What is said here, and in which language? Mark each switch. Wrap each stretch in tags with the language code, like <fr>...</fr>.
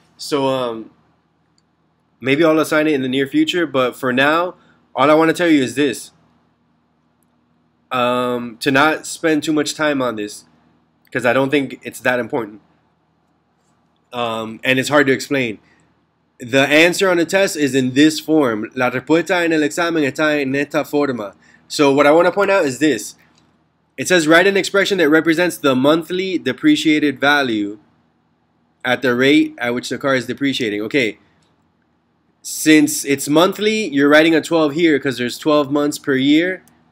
<en>So maybe I'll assign it in the near future, but for now, all I want to tell you is this. To not spend too much time on this, because I don't think it's that important. And it's hard to explain. The answer on the test is in this form.</en> <es>La respuesta en el examen está en esta forma.</es> <en>So what I want to point out is this. It says write an expression that represents the monthly depreciated value at the rate at which the car is depreciating. Okay. Since it's monthly, you're writing a 12 here because there's 12 months per year.</en>